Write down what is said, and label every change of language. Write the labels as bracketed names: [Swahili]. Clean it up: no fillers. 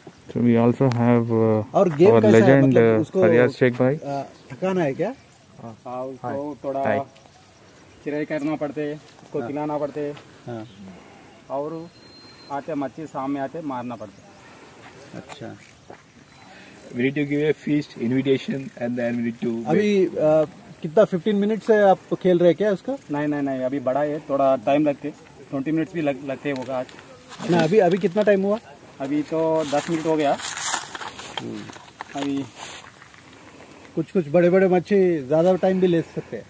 [English] So we also have our legend Faryaz Sheikh bhai. [Hindi] थकाना है क्या? हाँ उसको थोड़ा चिराई करना पड़ते है, उसको खिलाना पड़ते है, और आते मच्छी सामने आते मारना पड़ते। अच्छा, [English] we need to give a feast invitation and then we need to [Hindi] अभी कितना 15 मिनट से आप खेल रहे क्या उसका? नहीं अभी बड़ा है, थोड़ा टाइम लगते, 20 मिनट भी लगते होगा आज। ना अभी कितना टाइम हुआ? अभी तो 10 मिनट हो गया। अभी कुछ बड़े बड़े मच्छी ज्यादा टाइम भी ले सकते हैं?